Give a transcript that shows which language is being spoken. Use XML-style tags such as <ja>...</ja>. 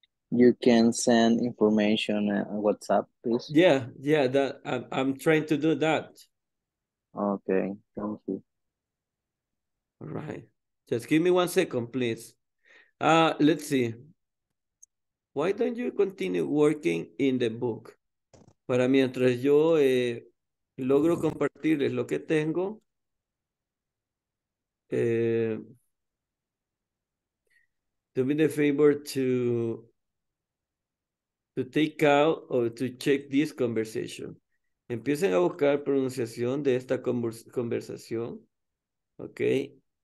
<en>You can send information on WhatsApp, please. Yeah, that I'm trying to do that. Okay, thank you. All right. Just give me 1 second, please. Let's see. Why don't you continue working in the book?</en> <es>Para mientras yo logro compartirles lo que tengo.</es> <en>Do me the favor to take out or to check this conversation.</en> <es>Empiecen a buscar pronunciación de esta conversación. Okay.</es>